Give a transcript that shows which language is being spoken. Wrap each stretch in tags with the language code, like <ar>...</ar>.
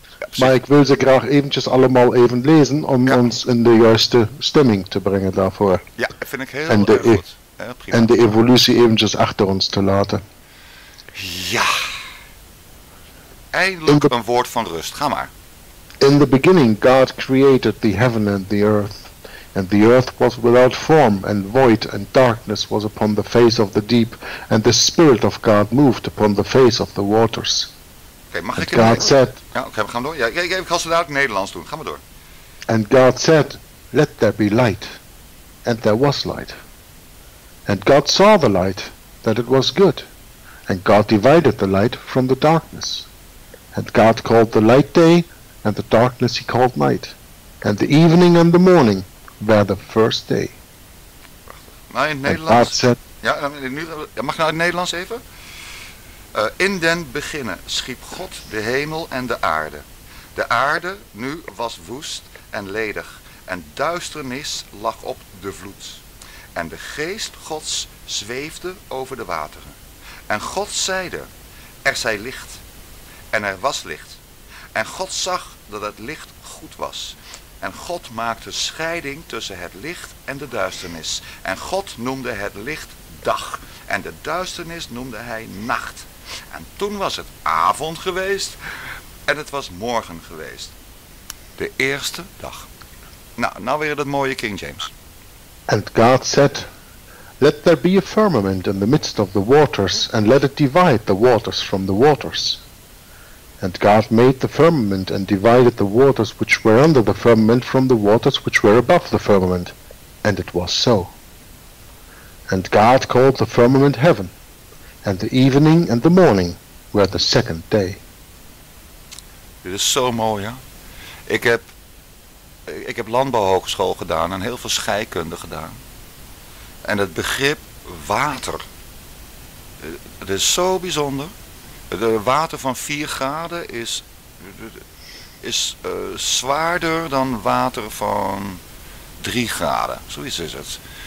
<nl>Ja, maar ik wil ze graag eventjes allemaal even lezen om ons in de juiste stemming te brengen daarvoor. Ja, vind ik heel goed. En de evolutie eventjes achter ons te laten. Ja. Eindelijk een woord van rust. Ga maar.</nl> <en>In the beginning God created the heaven and the earth. And the earth was without form and void, and darkness was upon the face of the deep, and the Spirit of God moved upon the face of the waters.</en> <nl>Okay, mag ik</nl> <en>God said,</en> <nl>ja, okay, we gaan door. Ja, ik zal ze daar ook Nederlands doen. Ga maar door.</nl> <en>And God said, let there be light. And there was light. And God saw the light, that it was good. And God divided the light from the darkness. And God called the light day, and the darkness he called night. And the evening and the morning were the first day.</en> <nl>Maar in het Nederlands. Said, ja, nu, mag ik nou in het Nederlands even? In den beginnen schiep God de hemel en de aarde. De aarde nu was woest en ledig. En duisternis lag op de vloed. En de geest Gods zweefde over de wateren. En God zeide, er zij licht. En er was licht. En God zag dat het licht goed was. En God maakte scheiding tussen het licht en de duisternis. En God noemde het licht dag. En de duisternis noemde hij nacht. En toen was het avond geweest. En het was morgen geweest. De eerste dag. Nou weer dat mooie King James.</nl> <en>And God said, let there be a firmament in the midst of the waters, and let it divide the waters from the waters. And God made the firmament and divided the waters which were under the firmament from the waters which were above the firmament. And it was so. And God called the firmament heaven, and the evening and the morning were the second day.</en> <nl>Dit is zo mooi, hè? Ik heb landbouwhogeschool gedaan en heel veel scheikunde gedaan. En het begrip water, het is zo bijzonder. Het water van 4 graden is zwaarder dan water van 3 graden. Zoiets is het.</nl>